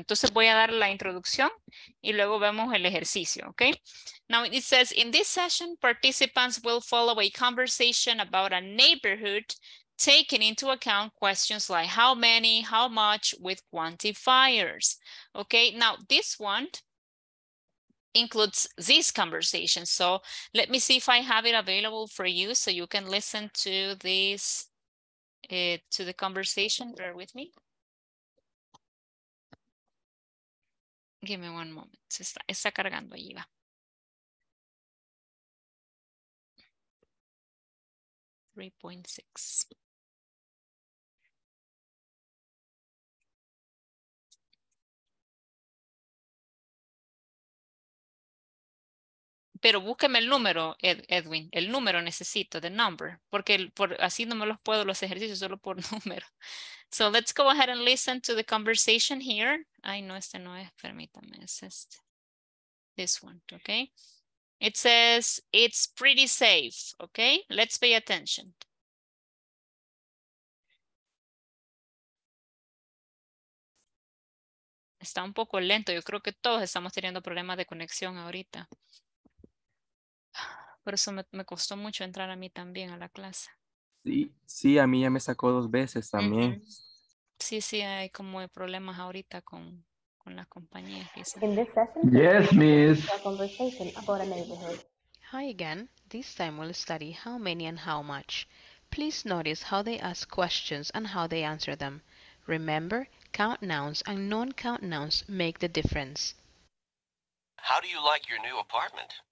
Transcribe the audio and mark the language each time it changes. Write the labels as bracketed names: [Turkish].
[Spanish] Entonces voy a dar la introducción y luego vemos el ejercicio, okay? [English] Now it says, in this session, participants will follow a conversation about a neighborhood taking into account questions like how many, how much, with quantifiers. Okay, now this one includes this conversation. So let me see if I have it available for you so you can listen to this, to the conversation. Bear with me. Give me one moment. [Spanish] Está cargando, ahí va. [English] 3.6. [Spanish] Pero búsqueme el número, Edwin, el número necesito, [English] the number, [Spanish] porque así no me los puedo los ejercicios, solo por número. [English] So let's go ahead and listen to the conversation here. [Spanish] Ay, no, este no es, permítame, es este. [English] This one, okay? It says, it's pretty safe, okay? Let's pay attention. [Spanish] Está un poco lento, yo creo que todos estamos teniendo problemas de conexión ahorita. Por eso me costó mucho entrar a mí también a la clase. Sí, sí, a mí ya me sacó dos veces también. Uh-huh. Sí, sí, hay como problemas ahorita con la compañía. [English] In this session, yes, miss. A conversation about a neighborhood. Hi again. This time we'll study how many and how much. Please notice how they ask questions and how they answer them. Remember, count nouns and non-count nouns make the difference. How do you like your new apartment?